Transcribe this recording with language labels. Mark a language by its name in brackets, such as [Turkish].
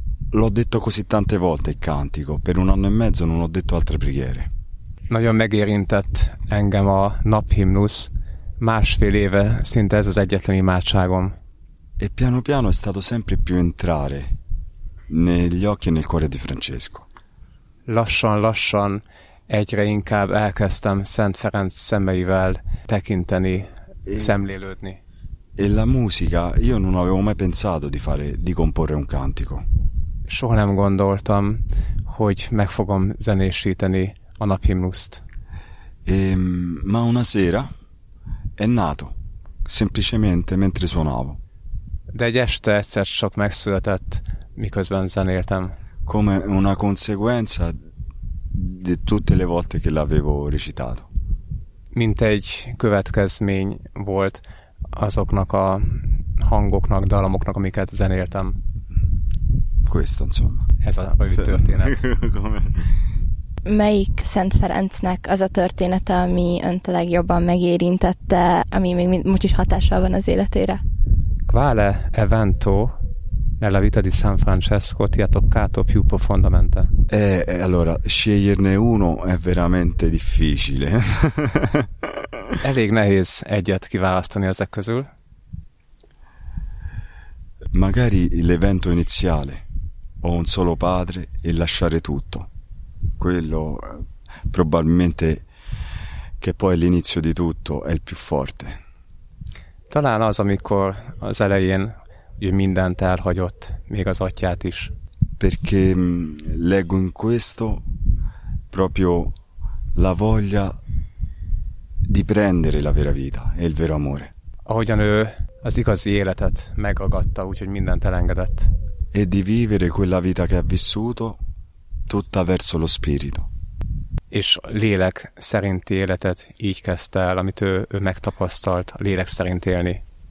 [Italian] L'ho detto così tante volte il cantico, per un anno e mezzo non ho detto altre preghiere. [Hungarian] Nagyon megérintett engem a naphimnusz, másfél éve szinte ez az egyetlen imádságom. [Italian] E piano piano è stato sempre più entrare negli occhi e nel cuore di Francesco. [Hungarian] Lassan, lassan, egyre inkább elkezdtem Szent Ferenc szemeivel tekinteni, szemlélődni. [Italian] E la musica, io non avevo mai pensato di fare, di comporre un cantico. [Hungarian] Soha nem gondoltam, hogy meg fogom zenésíteni a naphimnuszt. [Italian] Ma una sera è nato, semplicemente mentre suonavo. [Hungarian] De egy este egyszer csak megszületett, miközben zenéltem. [Italian] Come una conseguenza di tutte le volte che l'avevo recitato. [Hungarian] Mint egy következmény volt azoknak a hangoknak, dalamoknak, amiket zenéltem. [Italian] Questo, insomma. [Hungarian] Ez a történet. Melyik Szent Ferencnek az a története, ami önt legjobban megérintette, ami még most is hatással van az életére? [Italian] Quale evento nella vita di San Francesco ti ha toccato più profondamente? Allora, sceglierne uno è veramente difficile. [Hungarian] Elég nehéz egyet kiválasztani ezek közül. [Italian] Magari l'evento iniziale, o un solo padre e lasciare tutto. Quello probabilmente che poi l'inizio di tutto è il più forte. [Hungarian] Talán az, amikor az elején ő mindent elhagyott, még az atyát is. [Italian] Perché leggo in questo proprio la voglia di prendere la vera vita e il vero amore. [Hungarian] Ahogyan ő az igazi életet megragadta, úgyhogy mindent elengedett. [Italian] E di vivere quella vita che ha vissuto tutta verso lo spirito. [Hungarian] És lélek szerinti életet így kezdte el, amit ő megtapasztalt, lélek szerint élni.